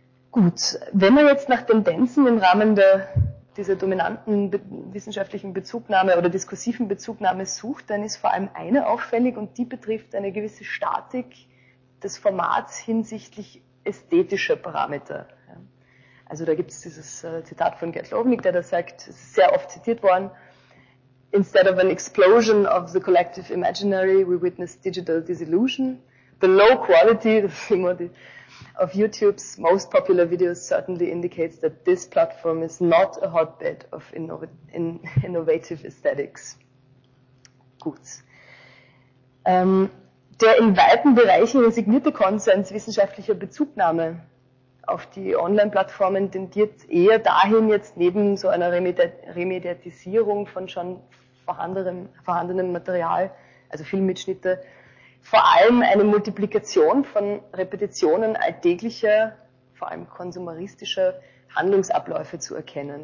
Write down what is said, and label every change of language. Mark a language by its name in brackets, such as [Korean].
[German] Gut, wenn man jetzt nach Tendenzen im Rahmen dieser dominanten wissenschaftlichen Bezugnahme oder diskursiven Bezugnahme sucht, dann ist vor allem eine auffällig und die betrifft eine gewisse Statik des Formats hinsichtlich ästhetischer Parameter. Also da gibt es dieses Zitat von Gerd Lovnik, der da sagt, es ist sehr oft zitiert worden, [English] "Instead of an explosion of the collective imaginary, we witness digital disillusion. The low quality of YouTube's most popular videos certainly indicates that this platform is not a hotbed of innovative aesthetics." [German] Gut. Der in weiten Bereichen resignierte Konsens wissenschaftlicher Bezugnahme auf die Online-Plattformen tendiert eher dahin, jetzt neben so einer Remediatisierung von schon vorhandenem Material, also Filmmitschnitte, vor allem eine Multiplikation von Repetitionen alltäglicher, vor allem konsumeristischer Handlungsabläufe zu erkennen.